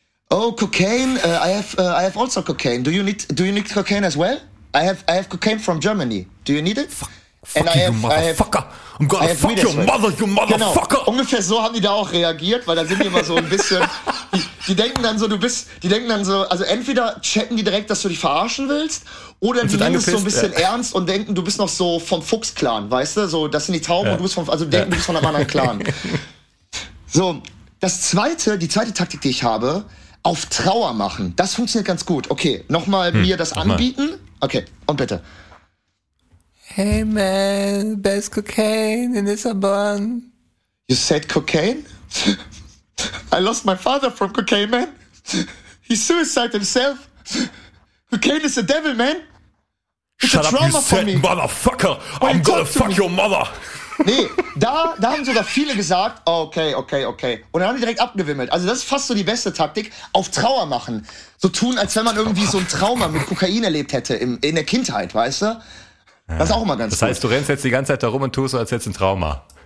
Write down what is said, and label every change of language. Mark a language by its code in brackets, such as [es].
[en] Oh, cocaine, I have also cocaine. Do you need cocaine as well? I have cocaine from Germany. Do you need it? Fuck you, motherfucker. I'm gonna fuck your mother, you motherfucker. [de] Genau. Ungefähr so haben die da auch reagiert, weil da sind die immer so ein bisschen, die denken dann so, also entweder checken die direkt, dass du dich verarschen willst, oder die nehmen es so ein bisschen ernst und denken, du bist noch so vom Fuchs-Clan, weißt du, so, das sind die Tauben, du bist von einem anderen Clan. So, die zweite Taktik, die ich habe, auf Trauer machen. Das funktioniert ganz gut. Okay, nochmal mir das anbieten. Mal. Okay, und bitte. [en] Hey man, best cocaine in Lissabon. You said cocaine? I lost my father from cocaine, man. He suicided himself. Cocaine is the devil, man. It's shut a trauma up, you for said me. Motherfucker. I'm gonna fuck your mother. [de] Nee, da haben sogar viele gesagt, okay. Und dann haben die direkt abgewimmelt. Also das ist fast so die beste Taktik, auf Trauer machen. So tun, als wenn man irgendwie so ein Trauma mit Kokain erlebt hätte in der Kindheit, weißt du? Das ist auch immer ganz gut. Das heißt, du rennst jetzt die ganze Zeit da rum und tust so, als hättest du ein Trauma.